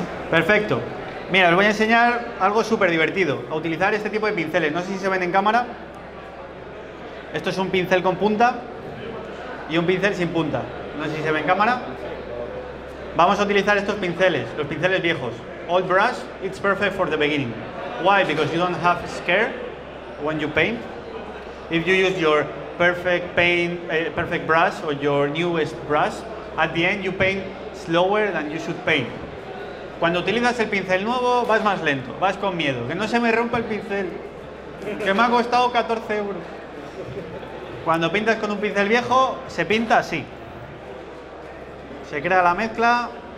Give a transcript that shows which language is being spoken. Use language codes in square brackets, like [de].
[es] Perfecto. Mira, os voy a enseñar algo súper divertido. A utilizar este tipo de pinceles. No sé si se ven en cámara. Esto es un pincel con punta y un pincel sin punta. No sé si se ve en cámara. Vamos a utilizar estos pinceles, los pinceles viejos. [en] Old brush, it's perfect for the beginning. Why? Because you don't have scare when you paint. If you use your perfect paint, perfect brush or your newest brush, at the end you paint slower than you should paint. [es] Cuando utilizas el pincel nuevo, vas más lento, vas con miedo. Que no se me rompa el pincel. Que me ha costado 14 euros. Cuando pintas con un pincel viejo, se pinta así. Se crea la mezcla.